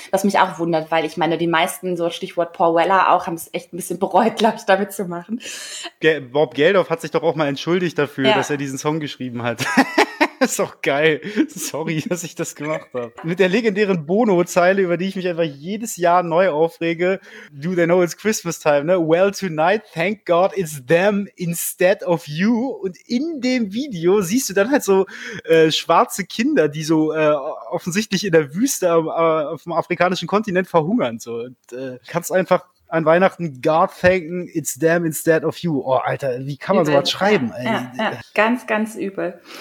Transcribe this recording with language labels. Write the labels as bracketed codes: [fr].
[de] Was mich auch wundert, weil ich meine, die meisten, so Stichwort Paul Weller auch, haben es echt ein bisschen bereut, glaube ich, damit zu machen. Bob Geldof hat sich doch auch mal entschuldigt dafür, ja, dass er diesen Song geschrieben hat. Das ist doch geil. Sorry, dass ich das gemacht habe. Mit der legendären Bono-Zeile, über die ich mich einfach jedes Jahr neu aufrege. [en] Do they know it's Christmas time, ne? Well, tonight, thank God it's them instead of you. [de] Und in dem Video siehst du dann halt so schwarze Kinder, die so offensichtlich in der Wüste auf dem afrikanischen Kontinent verhungern. So. Und kannst einfach an Weihnachten God thanken, [en] it's them instead of you. [de] Oh, Alter, wie kann man übel. Sowas schreiben? Ja, ganz, ganz übel.